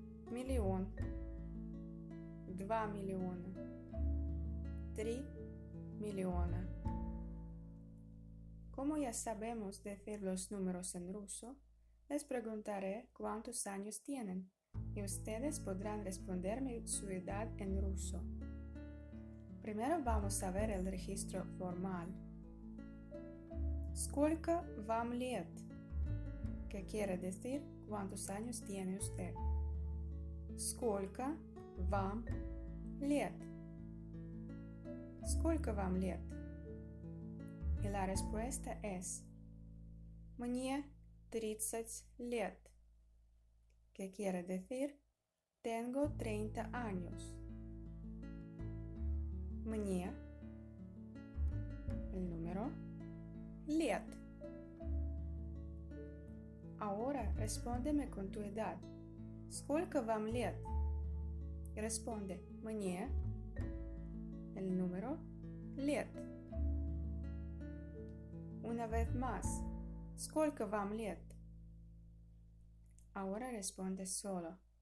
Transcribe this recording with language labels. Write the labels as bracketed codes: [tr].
[ru] Миллион, 2 миллиона, 3 миллиона. [es] Como ya sabemos decir los números en ruso, les preguntaré cuántos años tienen y ustedes podrán responderme su edad en ruso. Primero vamos a ver el registro formal. [ru] Сколько вам лет? [es] Que quiere decir cuántos años tiene usted. [ru] Сколько вам лет? Сколько вам лет? [es] И la respuesta es [ru] Мне 30 лет. [es] Que quiere decir Tengo 30 años. Мне El número Лет. Ahora respóndeme con tu edad. [ru] Сколько вам лет? [es] Responde мне el número лет. Una vez más. [ru] Сколько вам лет? [es] Ahora responde solo.